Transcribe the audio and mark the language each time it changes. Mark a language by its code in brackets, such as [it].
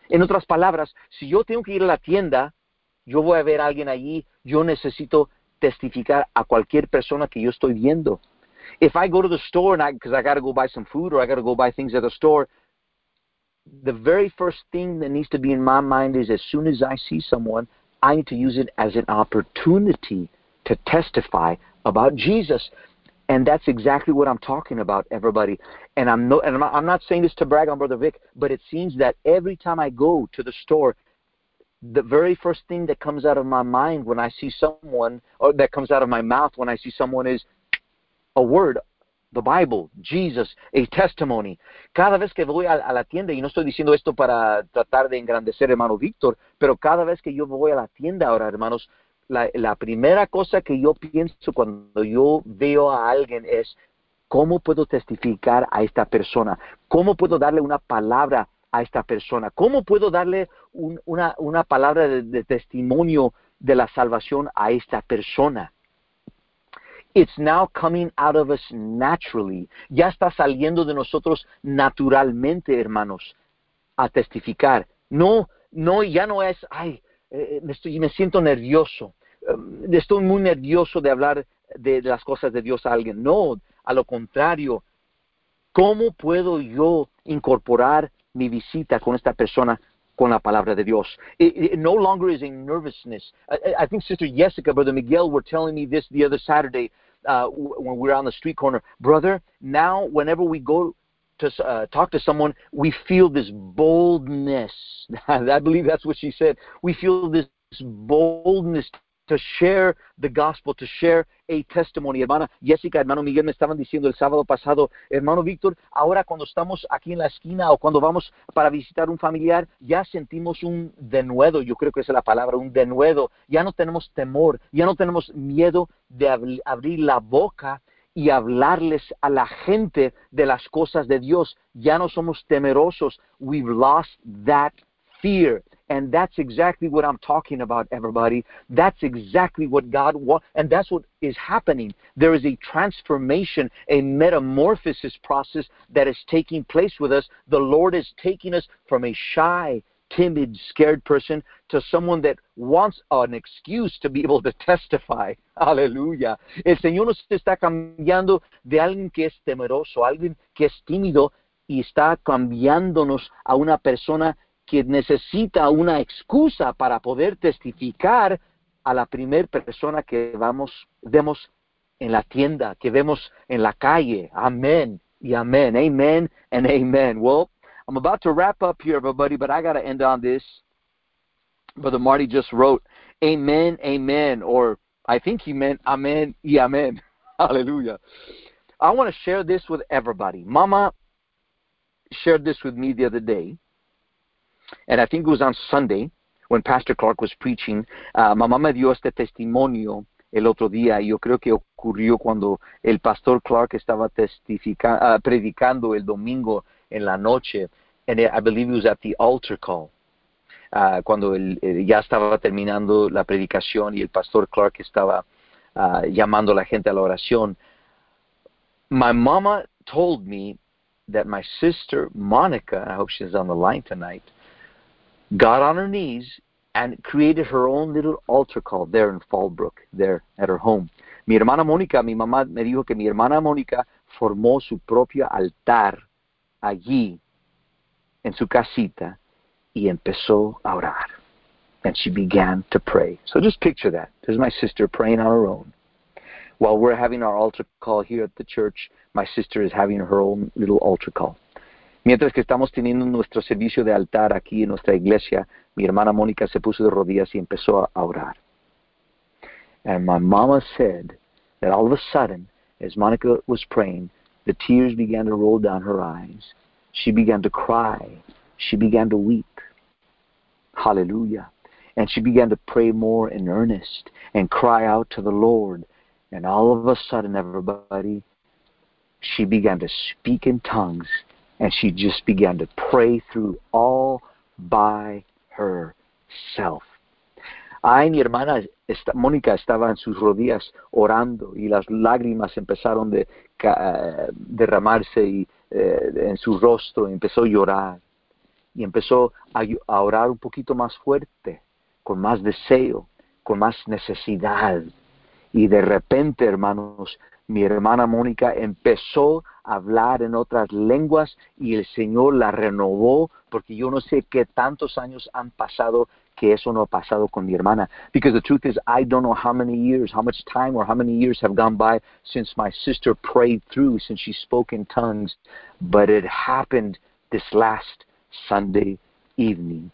[es] En otras palabras, si yo tengo que ir a la tienda, yo voy a ver a alguien allí, yo necesito testificar a cualquier persona que yo estoy viendo. [en] If I go to the store, because I got to go buy some food or I got to go buy things at the store, the very first thing that needs to be in my mind is as soon as I see someone, I need to use it as an opportunity to testify about Jesus. And that's exactly what I'm talking about, everybody. And I'm not saying this to brag on Brother Vic, but it seems that every time I go to the store, the very first thing that comes out of my mind when I see someone, or that comes out of my mouth when I see someone is a word, the Bible, Jesus, a testimony. [es] Cada vez que voy a la tienda, y no estoy diciendo esto para tratar de engrandecer hermano Víctor, pero cada vez que yo voy a la tienda ahora, hermanos, la primera cosa que yo pienso cuando yo veo a alguien es, ¿cómo puedo testificar a esta persona? ¿Cómo puedo darle una palabra a esta persona? ¿Cómo puedo darle una palabra de testimonio de la salvación a esta persona? [en] It's now coming out of us naturally. [es] Ya está saliendo de nosotros naturalmente, hermanos, a testificar. No, ya no es, me siento nervioso. Estoy muy nervioso de hablar de las cosas de Dios a alguien. No, a lo contrario. ¿Cómo puedo yo incorporar mi visita con esta persona con la palabra de Dios? [en] It no longer is a nervousness. I think Sister Jessica, Brother Miguel, were telling me this the other Saturday when we were on the street corner. Brother, now whenever we go to talk to someone, we feel this boldness. I believe that's what she said. We feel this boldness to share the gospel, to share a testimony. [es] Hermana Jessica, hermano Miguel, me estaban diciendo el sábado pasado, hermano Víctor, ahora cuando estamos aquí en la esquina o cuando vamos para visitar un familiar, ya sentimos un denuedo, yo creo que esa es la palabra, un denuedo. Ya no tenemos temor, ya no tenemos miedo de abrir la boca y hablarles a la gente de las cosas de Dios. Ya no somos temerosos. [en] We've lost that fear. And that's exactly what I'm talking about, everybody. That's exactly what God wants. And that's what is happening. There is a transformation, a metamorphosis process that is taking place with us. The Lord is taking us from a shy, timid, scared person to someone that wants an excuse to be able to testify. Hallelujah. [es] El Señor nos está cambiando de alguien que es temeroso, alguien que es tímido, y está cambiándonos a una persona que necesita una excusa para poder testificar a la primer persona que vamos, vemos en la tienda, que vemos en la calle. Amen y amen. [en] Amen and amen. Well, I'm about to wrap up here, everybody, but I got to end on this. Brother Marty just wrote, amen, amen, or I think he meant [es] amen y amen. [en] Hallelujah. I want to share this with everybody. Mama shared this with me the other day. And I think it was on Sunday when Pastor Clark was preaching. [es] Mamá me dio este testimonio el otro día. Yo creo que ocurrió cuando el Pastor Clark estaba predicando el domingo en la noche. [en] And I believe it was at the altar call. [es] Cuando ya estaba terminando la predicación y el Pastor Clark estaba llamando a la gente a la oración. [en] My mama told me that my sister Monica, I hope she's on the line tonight, got on her knees and created her own little altar call there in Fallbrook, there at her home. [es] Mi hermana Mónica, mi mamá me dijo que mi hermana Mónica formó su propio altar allí en su casita y empezó a orar. [en] And she began to pray. So just picture that. This is my sister praying on her own. While we're having our altar call here at the church, my sister is having her own little altar call. [es] Mientras que estamos teniendo nuestro servicio de altar aquí en nuestra iglesia, mi hermana Mónica se puso de rodillas y empezó a orar. [en] And my mama said that all of a sudden, as Monica was praying, the tears began to roll down her eyes. She began to cry. She began to weep. Hallelujah. And she began to pray more in earnest and cry out to the Lord. And all of a sudden, everybody, she began to speak in tongues. And she just began to pray through all by herself. [es] Ay, mi hermana Mónica estaba en sus rodillas orando y las lágrimas empezaron de derramarse y, en su rostro. Y empezó a llorar y empezó a orar un poquito más fuerte, con más deseo, con más necesidad. Y de repente, hermanos, mi hermana Mónica empezó a hablar en otras lenguas y el Señor la renovó, porque yo no sé qué tantos años han pasado que eso no ha pasado con mi hermana. [en] Because the truth is, I don't know how many years, how much time or how many years have gone by since my sister prayed through, since she spoke in tongues, but it happened this last Sunday evening.